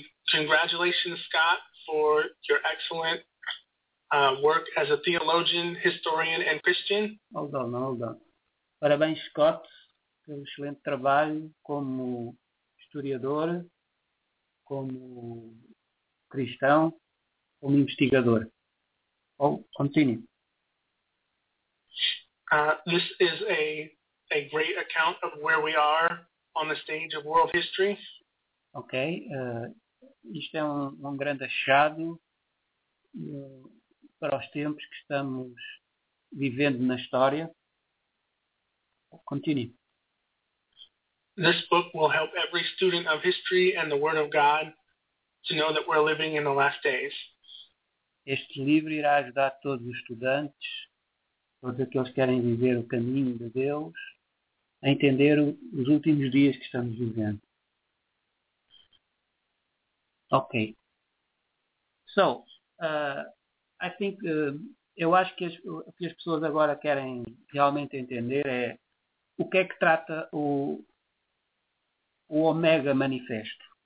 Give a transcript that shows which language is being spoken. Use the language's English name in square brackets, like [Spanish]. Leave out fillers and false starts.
[English] Congratulations, Scott, for your excellent work as a theologian, historian, and Christian. Hold on. [Portuguese] Parabéns, Scott, pelo excelente trabalho como historiador, como cristão, como investigador. [English] Continue. This is a great account of where we are on the stage of world history. Ok. [Portuguese] Isto é um grande achado para os tempos que estamos vivendo na história. [English] Continue. This book will help every student of history and the Word of God to know that we're living in the last days. [Portuguese] Este livro irá ajudar todos os estudantes, todos aqueles que querem viver o caminho de Deus, a entender os últimos dias que estamos vivendo. [English] Okay. So, I think, [Portuguese] eu acho que as pessoas agora querem realmente entender é o que é que trata o Omega Manifesto.